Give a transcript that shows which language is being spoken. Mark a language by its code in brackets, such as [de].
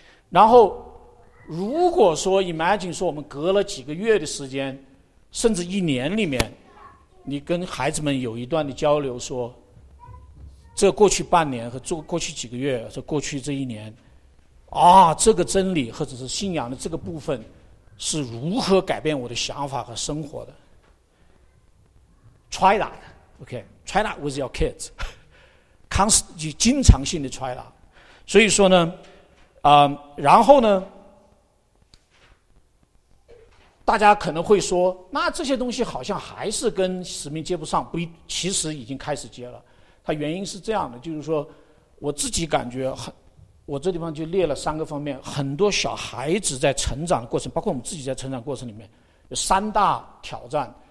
[zh] 然后如果说 imagine 说我们隔了几个月的时间，甚至一年里面，你跟孩子们有一段的交流，说这过去半年和过去几个月，这过去这一年啊，这个真理或者是信仰的这个部分是如何改变我的想法和生活的。 [en] Try that OK, try that with your kids. [zh] 经常性的 [en] try that. [zh] 所以说呢，然后呢，大家可能会说，那这些东西好像还是跟使命接不上，其实已经开始接了。它原因是这样的，就是说我自己感觉我这地方就列了三个方面，很多小孩子在成长的过程，包括我们自己在成长过程里面，有三大挑战。